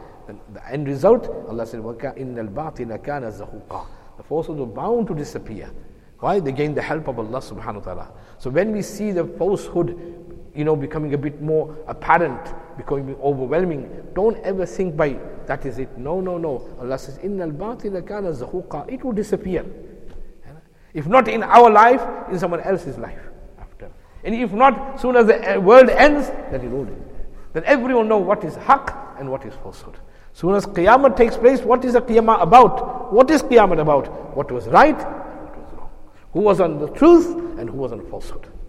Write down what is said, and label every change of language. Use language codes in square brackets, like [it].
[en] And the end result, Allah said, [ar] وَإِنَّ الْبَاطِلَ كَانَ زَهُوقًا. [en] The falsehoods were bound to disappear. Why? They gained the help of Allah subhanahu wa ta'ala. So when we see the falsehood, you know, becoming a bit more apparent, becoming overwhelming, don't ever think by that is it. No, no, no. Allah says, [ar] إِنَّ الْبَاطِلَ كَانَ زَهُوقًا. [en] It will disappear. If not in our life, in someone else's life. And if not, soon as the world ends, then you know. Then everyone know what is haq and what is falsehood. Soon as qiyamah takes place, what is the qiyamah about? What is qiyamah about? What was right and what was wrong? Who was on the truth and who was on falsehood?